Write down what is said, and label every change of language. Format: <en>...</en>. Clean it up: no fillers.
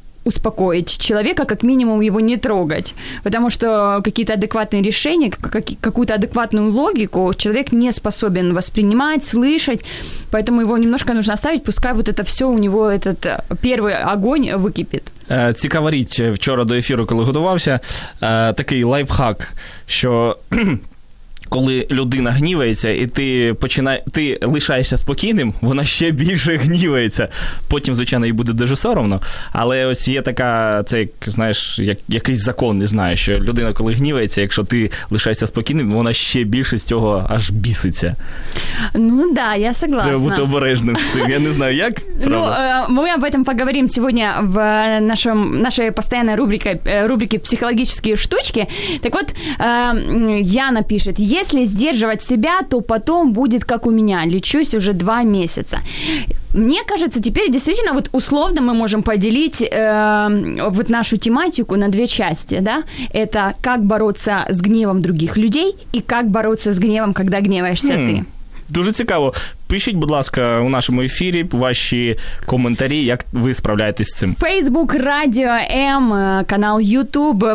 <ru>успокоить человека, как минимум его не трогать. Потому что какие-то адекватные решения, какую-то адекватную логику человек не способен воспринимать, слышать. Поэтому его немножко нужно оставить, пускай вот это все у него, этот первый огонь выкипит.</ru> <uk>Цікава річ, вчора до ефіру, коли готувався, такий лайфхак, що коли людина гнівається, і ти лишаєшся спокійним, вона ще більше гнівається. Потім, звичайно, їй буде дуже соромно. Але ось є така, це, знаєш, якийсь закон, не знаю, що людина, коли гнівається, якщо ти лишаєшся спокійним, вона ще більше з цього аж біситься.</uk> <ru>Ну, да, я согласна.</ru> <uk>Треба бути обережним з цим. Я не знаю, як, правда. Ну, ми</uk> <ru>об этом</ru> <uk>поговорим сьогодні в нашій постійній рубриці «Психологічні штучки». Так от, Яна пише:</uk> <ru>если сдерживать себя, то потом будет как у меня. Лечусь уже 2 месяца. Мне кажется, теперь действительно вот условно мы можем поделить вот нашу тематику на 2 части, да? Это как бороться с гневом других людей и как бороться с гневом, когда гневаешься ты.</ru> <uk>Дуже цікаво. Пишіть, будь ласка, у нашому ефірі ваші коментарі, як ви справляєтесь з цим. Facebook, Radio M, канал YouTube.</uk>